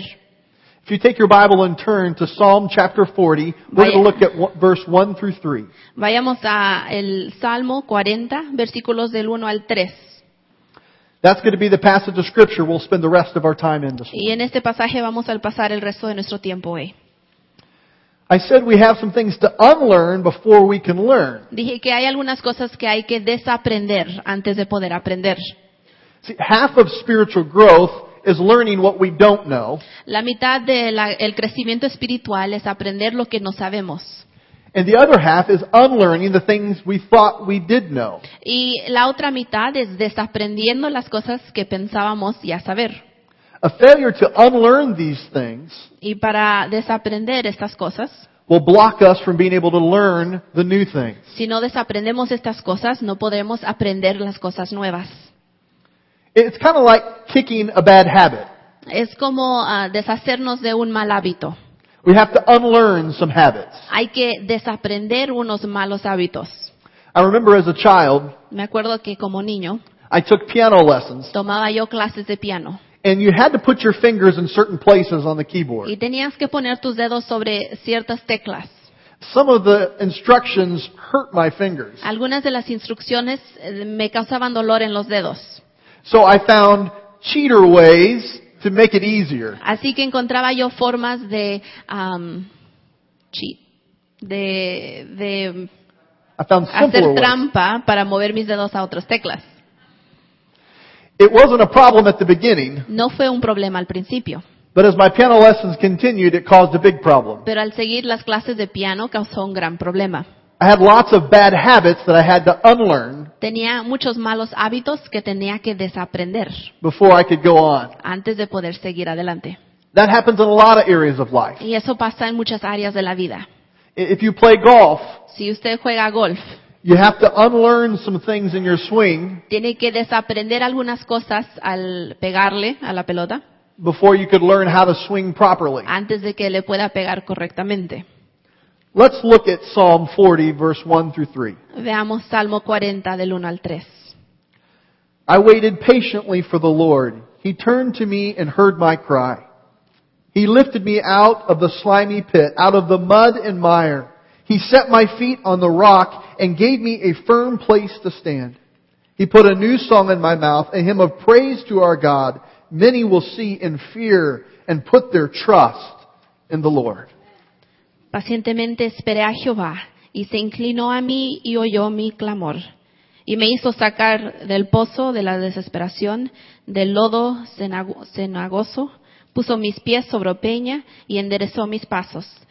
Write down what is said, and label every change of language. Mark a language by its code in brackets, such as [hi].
[en] If you take your Bible and turn to Psalm chapter 40, we're going to look at verse 1 through 3. [es] Vayamos a el Salmo 40, versículos del 1 al 3. [en] That's going to be the passage of Scripture we'll spend the rest of our time in this morning. [es] Y en este pasaje vamos a pasar el resto de nuestro tiempo hoy. [en] I said we have some things to unlearn before we can learn. [es] Dije que hay algunas cosas que hay que desaprender antes de poder aprender. [en] See, half of spiritual growth is learning what we don't know. [es] La mitad de el crecimiento espiritual es aprender lo que no sabemos. [en] And the other half is unlearning the things we thought we did know. [es] Y la otra mitad es desaprendiendo las cosas que pensábamos ya saber. [en] A failure to unlearn these things [es] y para desaprender estas cosas [en] will block us from being able to learn the new things. [es] Si no desaprendemos estas cosas, no podremos aprender las cosas nuevas. [en] It's kind of like kicking a bad habit. [es] Es como deshacernos de un mal hábito. [en] We have to unlearn some habits. [es] Hay que desaprender unos malos hábitos. [en] I remember as a child, [es] me acuerdo que como niño, [en] I took piano lessons. [es] Tomaba yo clases de piano. [en] And you had to put your fingers in certain places on the keyboard. [es] Y tenías que poner tus dedos sobre ciertas teclas. [en] Some of the instructions hurt my fingers. [es] Algunas de las instrucciones me causaban dolor en los dedos. [en] So I found cheater ways to make it easier. [es] Así que encontraba yo formas de cheat, de [en] I found [es] hacer trampa [en] ways. [es] Para mover mis dedos a otras teclas. [en] It wasn't a problem at the beginning. [es] No fue un problema al principio. [en] But as my piano lessons continued, it caused a big problem. [es] Pero al seguir las clases de piano causó un gran problema. [en] I had lots of bad habits that I had to unlearn. [es] Tenía muchos malos hábitos que tenía que desaprender. [en] Before I could go on. [es] Antes de poder seguir adelante. [en] That happens in a lot of areas of life. [es] Y eso pasa en muchas áreas de la vida. [en] If you play golf. [es] Si usted juega golf. [en] You have to unlearn some things in your swing. [es] Tiene que desaprender algunas cosas al pegarle a la pelota. [en] Before you could learn how to swing properly. [es] Antes de que le pueda pegar correctamente. [en] Let's look at Psalm 40, verse 1 through 3. [es] Veamos Salmo 40, del 1 al 3. [en] I waited patiently for the Lord. He turned to me and heard my cry. He lifted me out of the slimy pit, out of the mud and mire. He set my feet on the rock and gave me a firm place to stand. He put a new song in my mouth, a hymn of praise to our God. Many will see and fear and put their trust in the Lord. [es] Pacientemente esperé a Jehová, y se inclinó a mí y oyó mi clamor, y me hizo sacar del pozo de la desesperación, del lodo cenagoso, puso mis pies sobre peña y enderezó mis pasos.